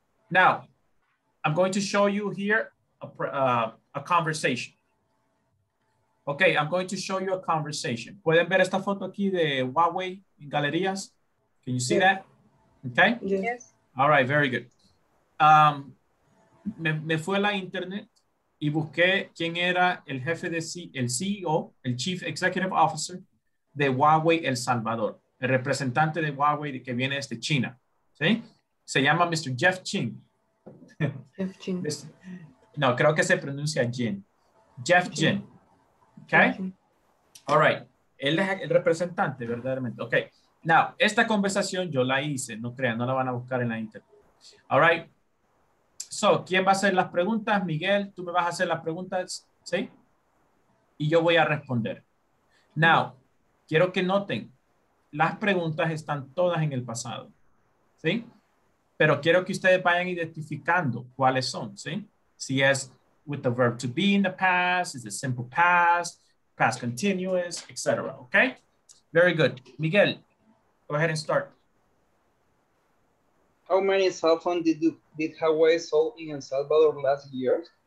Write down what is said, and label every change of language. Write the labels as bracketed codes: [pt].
[en] Now, I'm going to show you here a conversation. Okay, I'm going to show you a conversation. [es] ¿Pueden ver esta foto aquí de Huawei en galerías? [en] Can you see that? Okay? Yes. All right, very good. [es] Me fue la internet. Y busqué quién era el jefe de el CEO, el Chief Executive Officer de Huawei El Salvador, el representante de Huawei que viene desde China. ¿Sí? Se llama Mr. Jeff Ching. Jeff Ching. No, creo que se pronuncia Jin. Jeff Ching. Jin. Okay. All right. Él es el representante, verdaderamente. Okay. Now, esta conversación yo la hice, no crean, no la van a buscar en la internet. [en] All right. [es] So, ¿quién va a hacer las preguntas? Miguel, tú me vas a hacer las preguntas, ¿sí? Y yo voy a responder. Now, quiero que noten, las preguntas están todas en el pasado, ¿sí? Pero quiero que ustedes vayan identificando cuáles son, ¿sí? Si es [en] with the verb to be in the past, is it simple past, past continuous, etc. Okay? Very good. Miguel, go ahead and start. How many cell phones did Huawei sell in El Salvador last year?